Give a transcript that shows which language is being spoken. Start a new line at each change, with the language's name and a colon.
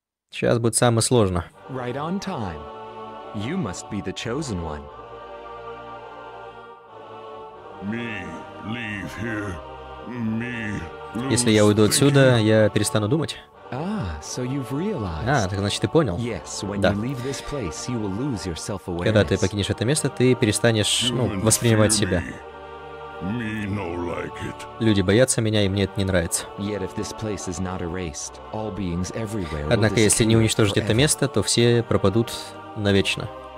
Russian: Сейчас будет самое сложное.
English: Right on time. You must be the chosen one. Me leave here. Me lose.
Russian: Если я уйду отсюда, я перестану думать.
English: Ah, so you've realized.
Russian: А, так значит, ты понял.
English: Yes, when
Russian: да.
English: You leave this place, you will lose your self-awareness.
Russian: Когда ты покинешь это место, ты перестанешь, ну, воспринимать себя.
English: Me no like it.
Russian: Люди боятся меня, и мне это не нравится.
English: Yet if this place is not erased, all beings everywhere.
Russian: Однако, если не уничтожить это место, то все пропадут навечно.